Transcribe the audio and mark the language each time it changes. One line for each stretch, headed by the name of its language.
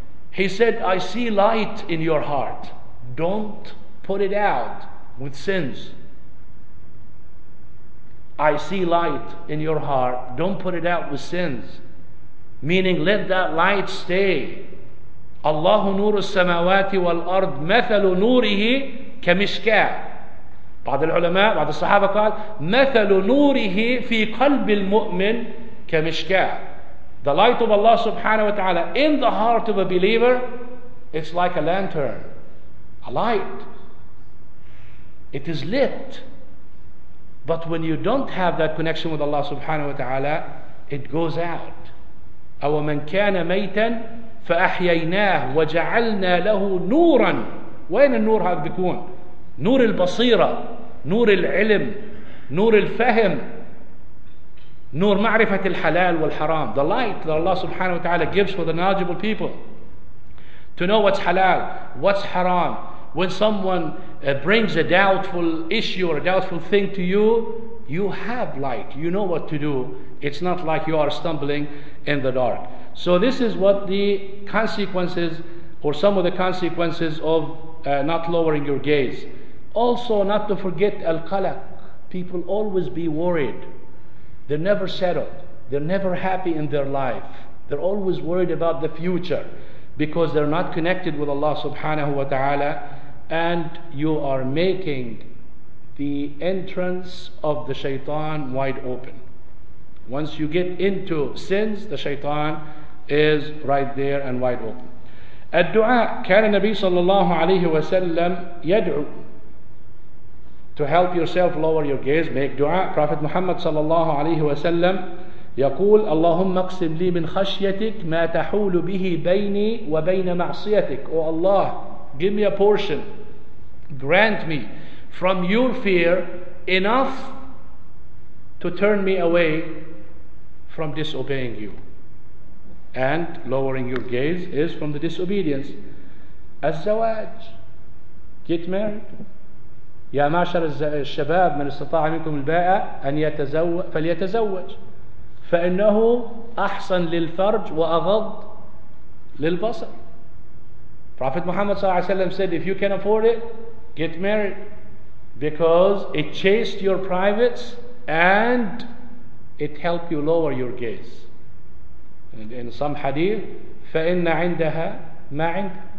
English: He said, I see light in your heart. Don't put it out with sins. I see light in your heart. Don't put it out with sins. Meaning, let that light stay.
Arabic: Allah نور السماوات والأرض مثل نوره كمشكاة. بعض العلماء بعض الصحابة قال مثل نوره في قلب المؤمن كمشكاة.
English: The light of Allah subhanahu wa ta'ala in the heart of a believer, it's like a lantern. a light. It is lit. But when you don't have that connection with Allah subhanahu wa ta'ala, it goes out.
Arabic: أَوَمَنْ كَانَ مَيْتًا فَأَحْيَيْنَاهُ وَجَعَلْنَا لَهُ نُورًا. وين النور هذا بيكون؟ نور البصيرة، نور العلم، نور الفهم، نور معرفة الحلال والحرام.
English: The light that Allah subhanahu wa ta'ala gives for the knowledgeable people to know what's halal, what's haram. When someone brings a doubtful issue or a doubtful thing to you, you have light. You know what to do. It's not like you are stumbling in the dark. So this is what the consequences, or some of the consequences of not lowering your gaze. Also, not to forget al-qalaq. People always be worried. They're never settled. They're never happy in their life. They're always worried about the future because they're not connected with Allah subhanahu wa ta'ala. And you are making the entrance of the shaitan wide open. Once you get into sins, the shaitan is right there and wide open.
Arabic: الدُّعَاء كان النبي صلى الله عليه وسلم يدعو.
English: To help yourself lower your gaze, make dua.
Arabic: Prophet Muhammad صلى الله عليه وسلم يقول: اللهم اقسم لي من خشيتك ما تحول به بيني وبين معصيتك.
English: Oh Allah, give me a portion, grant me from your fear enough to turn me away from disobeying you. And lowering your gaze is from the disobedience. الزواج, get married.
Arabic: يا معشر الشباب من استطاع منكم الباءة أن يتزوج فليتزوج فإنه أحسن للفرج وأغض للبصر.
English: Prophet Muhammad صلى الله عليه وسلم said, if you can afford it, get married, because it chased your privates and it helped you lower your gaze. And in some hadith,
Arabic: فَإِنَّ عِنْدَهَا مَا عِنْدَ.